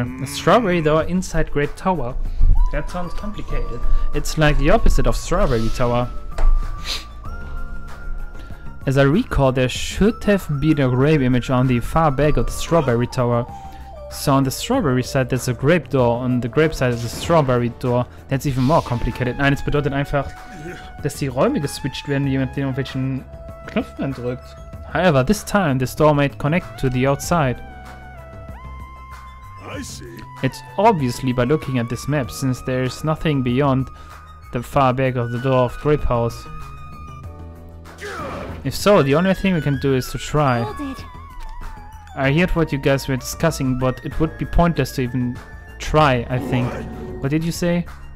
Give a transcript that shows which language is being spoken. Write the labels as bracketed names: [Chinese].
[English] A strawberry door inside Grape Tower. That sounds complicated. It's like the opposite of Strawberry Tower. As I recall, there should have been a grape image on the far back of the Strawberry Tower. So on the strawberry side there's a grape door, on the grape side is a strawberry door. That's even more complicated. [German] Nein, es bedeutet einfach, dass die Räume geswitcht werden, je nachdem, auf welchen Knopf man drückt. [English] However, this time this door might connect to the outside. I see. It's obviously by looking at this map, since there's nothing beyond the far back of the door of Grape House. If so, the only thing we can do is to try. I heard what you guys were discussing, but it would be pointless to even try, I think. What did you say?